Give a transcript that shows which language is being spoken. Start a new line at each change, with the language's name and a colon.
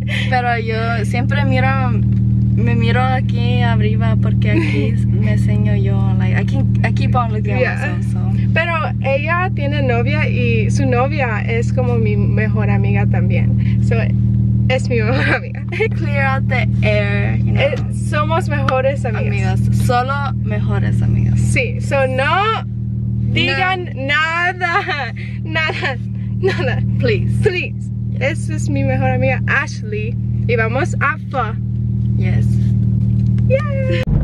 Spanish: Pero yo siempre miro... Me miro aquí arriba porque aquí me enseño yo, like, aquí
English: keep on looking at myself,
Spanish: so. Pero ella tiene novia y su novia es como mi mejor amiga también, so, es mi mejor amiga.
English: Clear out the air, you know.
Spanish: Somos mejores amigas. Amigas, solo mejores amigas. Sí, so no digan no. nada.
English: Please. Yes.
Spanish: Esa es mi mejor amiga, Ashley, y vamos a fa.
English: Yes. Yay.